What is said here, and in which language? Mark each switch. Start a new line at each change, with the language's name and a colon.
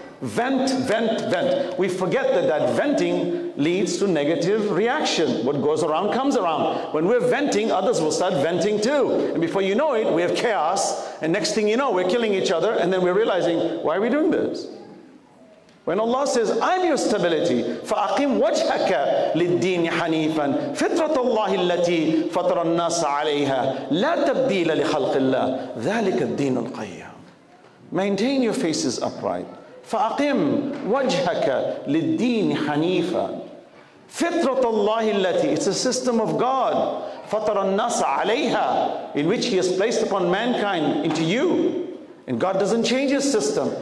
English: Vent, vent, vent. We forget that venting leads to negative reaction. What goes around comes around. When we're venting, others will start venting too. And before you know it, we have chaos. And next thing you know, we're killing each other. And then we're realizing, why are we doing this? When Allah says, I'm your stability,
Arabic: فَأَقِمْ وَجْهَكَ لِلدِّينِ حَنِيفًا فِطْرَةَ اللَّهِ الَّتِي فَطْرَ النَّاسَ عَلَيْهَا لَا تَبْدِيلَ لِخَلْقِ اللَّهِ ذَلِكَ الدِّينُ الْقَيَّمِ.
English: Maintain your faces upright.
Arabic: فَأَقِمْ وَجْهَكَ لِلدِّينِ حَنِيفًا فِطْرَةَ اللَّهِ الَّتِي,
English: it's a system of God,
Arabic: فَطْرَ النَّاسَ عَلَيْهَا,
English: in which He has placed upon mankind, into you. And God doesn't change His system.